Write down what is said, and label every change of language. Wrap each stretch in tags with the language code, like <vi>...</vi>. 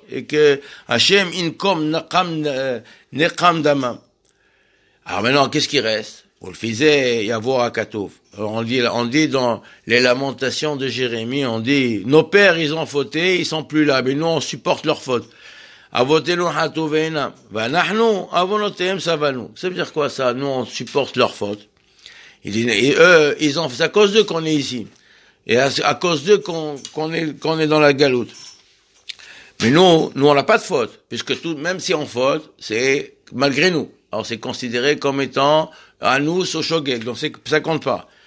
<fr>Et que,</fr> <he>Hachem, inkom, nekam damam.</he> <fr>Alors maintenant, qu'est-ce qui reste? On le faisait,</fr> <he>yavor akatouf.</he> <fr>On dit dans les lamentations de Jérémie, on dit, nos pères, ils ont fauté, ils sont plus là, mais nous, on supporte leur faute.</fr> <he>אבותינו חטאו ואינם, ואנחנו אבותיהם סבלנו.</he> <fr>C'est dire quoi ça? Nous on supporte leur faute. Ils disent, eux, ils ont fait à cause d'eux qu'on est ici, et à cause d'eux qu'on est dans la galoute. Mais nous on n'a pas de faute, puisque tout, même si on faute, c'est malgré nous. Alors c'est considéré comme étant à nous sochogek, donc c'est, ça compte pas.</fr>